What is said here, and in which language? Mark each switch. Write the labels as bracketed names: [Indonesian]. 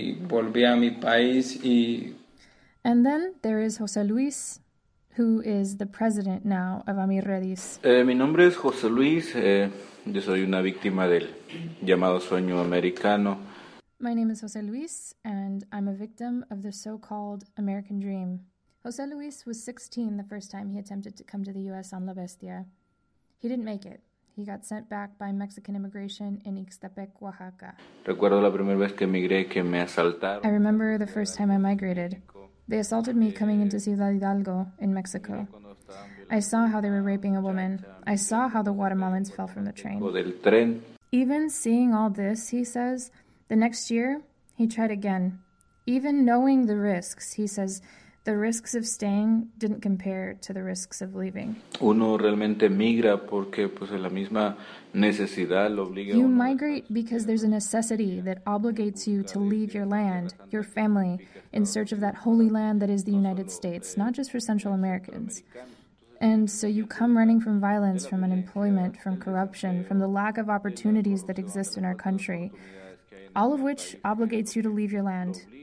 [English] And then there is José Luis, who is the president now of AmiRedis. [Spanish] Mi nombre es José Luis. Yo soy una víctima del llamado sueño americano. [English] My name is José Luis, and I'm a victim of the so-called American dream. José Luis was 16 the first time he attempted to come to the U.S. on La Bestia. He didn't make it. He got sent back by Mexican immigration in Ixtepec, Oaxaca. [Spanish] Recuerdo la primera vez que emigré, que me asaltaron. [English] I remember the first time I migrated. They assaulted me coming into Ciudad Hidalgo in Mexico. I saw how they were raping a woman. I saw how the Guatemalans fell from the train. Even seeing all this, he says, the next year, he tried again. Even knowing the risks, he says, the risks of staying didn't compare to the risks of leaving. [Spanish] Uno realmente migra porque, pues, la misma necesidad lo obliga. [English] You migrate because there's a necessity that obligates you to leave your land, your family, in search of that holy land that is the United States, not just for Central Americans. And so you come running from violence, from unemployment, from corruption, from the lack of opportunities that exist in our country, all of which obligates you to leave your land.